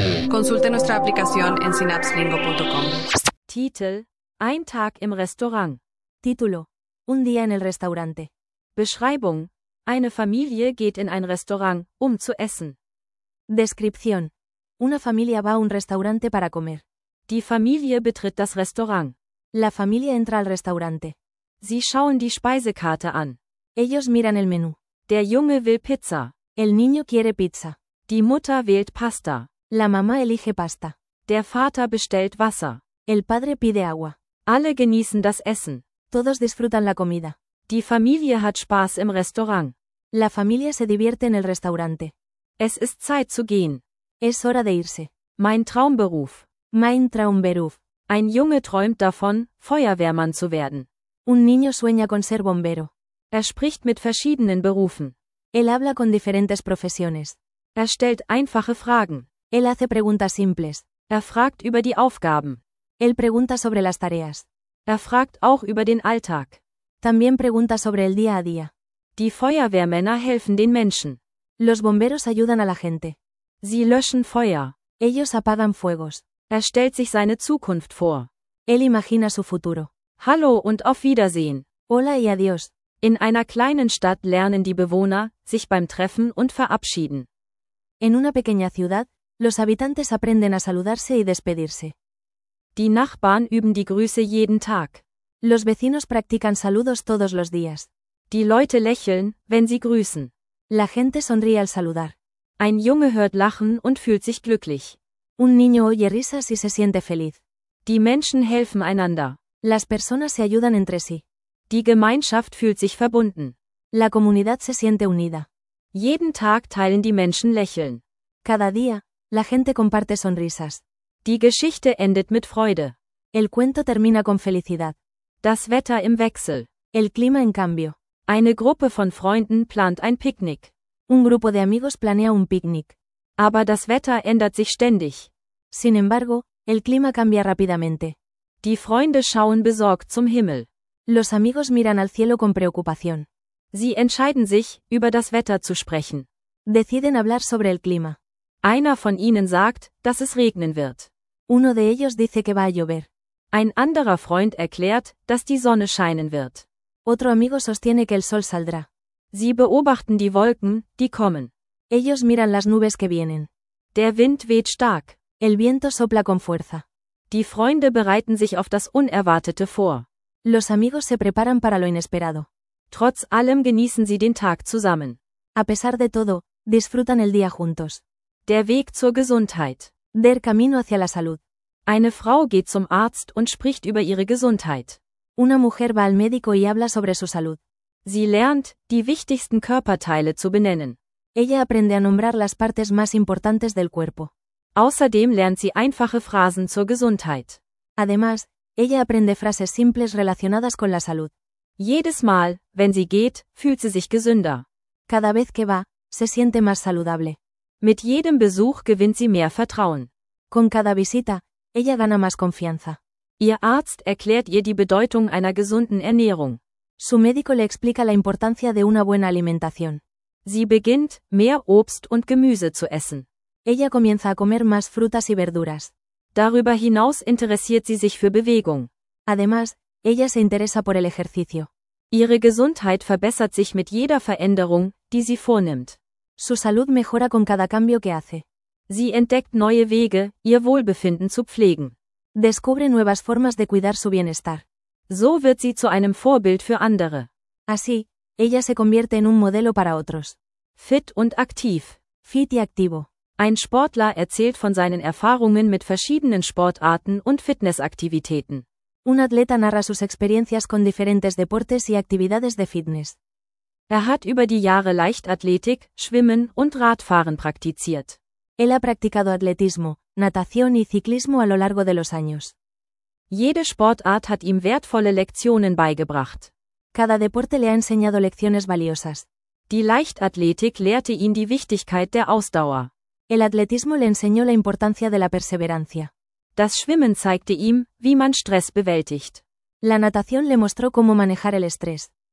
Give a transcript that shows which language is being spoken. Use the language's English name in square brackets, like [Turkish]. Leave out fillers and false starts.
[Spanish] Consulte nuestra aplicación en synapselingo.com. [German] Titel: Ein Tag im Restaurant. [Spanish] Título: Un día en el restaurante. [German] Beschreibung: Eine Familie geht in ein Restaurant, um zu essen. [Spanish] Descripción: Una familia va a un restaurante para comer. [German] Die Familie betritt das Restaurant. [Spanish] La familia entra al restaurante. [German] Sie schauen die Speisekarte an. [Spanish] Ellos miran el menú. [German] Der Junge will Pizza. [Spanish] El niño quiere pizza. [German] Die Mutter wählt Pasta. [Spanish] La mamá elige pasta. [German] Der Vater bestellt Wasser. [Spanish] El padre pide agua. [German] Alle genießen das Essen. [Spanish] Todos disfrutan la comida. [German] Die Familie hat Spaß im Restaurant. [Spanish] La familia se divierte en el restaurante. [German] Es ist Zeit zu gehen. [Spanish] Es hora de irse. [German] Mein Traumberuf. Mein Traumberuf. Ein Junge träumt davon, Feuerwehrmann zu werden. [Spanish] Un niño sueña con ser bombero. [German] Er spricht mit verschiedenen Berufen. [Spanish] Él habla con diferentes profesiones. [German] Er stellt einfache Fragen. [Spanish] Él hace preguntas simples. [German] Er fragt über die Aufgaben. [Spanish] Él pregunta sobre las tareas. [German] Er fragt auch über den Alltag. [Spanish] También pregunta sobre el día a día. [German] Die Feuerwehrmänner helfen den Menschen. [Spanish] Los bomberos ayudan a la gente. [German] Sie löschen Feuer. [Spanish] Ellos apagan fuegos. [German] Er stellt sich seine Zukunft vor. [Spanish] Él imagina su futuro. [German] Hallo und auf Wiedersehen. [Spanish] Hola y adiós. [German] In einer kleinen Stadt lernen die Bewohner, sich beim Treffen und verabschieden. [Spanish] En una pequeña ciudad, los habitantes aprenden a saludarse y despedirse. [German] Die Nachbarn üben die Grüße jeden Tag. [Spanish] Los vecinos practican saludos todos los días. [German] Die Leute lächeln, wenn sie grüßen. [Spanish] La gente sonríe al saludar. [German] Ein Junge hört Lachen und fühlt sich glücklich. [Spanish] Un niño oye risas y se siente feliz. [German] Die Menschen helfen einander. [Spanish] Las personas se ayudan entre sí. [German] Die Gemeinschaft fühlt sich verbunden. [Spanish] La comunidad se siente unida. [German] Jeden Tag teilen die Menschen Lächeln. [Spanish] Cada día, la gente comparte sonrisas. [German] Die Geschichte endet mit Freude. [Spanish] El cuento termina con felicidad. [German] Das Wetter im Wechsel. [Spanish] El clima en cambio. [German] Eine Gruppe von Freunden plant ein Picknick. [Spanish] Un grupo de amigos planea un picnic. [German] Aber das Wetter ändert sich ständig. [Spanish] Sin embargo, el clima cambia rápidamente. [German] Die Freunde schauen besorgt zum Himmel. [Spanish] Los amigos miran al cielo con preocupación. [German] Sie entscheiden sich, über das Wetter zu sprechen. [Spanish] Deciden hablar sobre el clima. [German] Einer von ihnen sagt, dass es regnen wird. [Spanish] Uno de ellos dice que va a llover. [German] Ein anderer Freund erklärt, dass die Sonne scheinen wird. [Spanish] Otro amigo sostiene que el sol saldrá. [German] Sie beobachten die Wolken, die kommen. [Spanish] Ellos miran las nubes que vienen. [German] Der Wind weht stark. [Spanish] El viento sopla con fuerza. [German] Die Freunde bereiten sich auf das Unerwartete vor. [Spanish] Los amigos se preparan para lo inesperado. [German] Trotz allem genießen sie den Tag zusammen. [Spanish] A pesar de todo, disfrutan el día juntos. [German] Der Weg zur Gesundheit. [Spanish] Der camino hacia la salud. [German] Eine Frau geht zum Arzt und spricht über ihre Gesundheit. [Spanish] Una mujer va al médico y habla sobre su salud. [German] Sie lernt, die wichtigsten Körperteile zu benennen. [Spanish] Ella aprende a nombrar las partes más importantes del cuerpo. [German] Außerdem lernt sie einfache Phrasen zur Gesundheit. [Spanish] Además, ella aprende frases simples relacionadas con la salud. [German] Jedes Mal, wenn sie geht, fühlt sie sich gesünder. [Spanish] Cada vez que va, se siente más saludable. [German] Mit jedem Besuch gewinnt sie mehr Vertrauen. [Spanish] Con cada visita, ella gana más confianza. [German] Ihr Arzt erklärt ihr die Bedeutung einer gesunden Ernährung. [Spanish] Su médico le explica la importancia de una buena alimentación. [German] Sie beginnt, mehr Obst und Gemüse zu essen. [Spanish] Ella comienza a comer más frutas y verduras. [German] Darüber hinaus interessiert sie sich für Bewegung. [Spanish] Además, ella se interesa por el ejercicio. [German] Ihre Gesundheit verbessert sich mit jeder Veränderung, die sie vornimmt. [Spanish] Su salud mejora con cada cambio que hace. [German] Sie entdeckt neue Wege, ihr Wohlbefinden zu pflegen. [Spanish] Descubre nuevas formas de cuidar su bienestar. [German] So wird sie zu einem Vorbild für andere. [Spanish] Así, ella se convierte en un modelo para otros. [German] Fit und aktiv. [Spanish] Fit y activo. [German] Ein Sportler erzählt von seinen Erfahrungen mit verschiedenen Sportarten und Fitnessaktivitäten. [Spanish] Un atleta narra sus experiencias con diferentes deportes y actividades de fitness. [German] Er hat über die Jahre Leichtathletik, Schwimmen und Radfahren praktiziert. [Spanish] Él ha practicado atletismo, natación y ciclismo a lo largo de los años. [German] Jede Sportart hat ihm wertvolle Lektionen beigebracht. [Spanish] Cada deporte le ha enseñado lecciones valiosas. [German] Die Leichtathletik lehrte ihn die Wichtigkeit der Ausdauer. [Spanish] El atletismo le enseñó la importancia de la perseverancia. [German] Das Schwimmen zeigte ihm, wie man Stress bewältigt. [Spanish] La natación le mostró cómo manejar el estrés.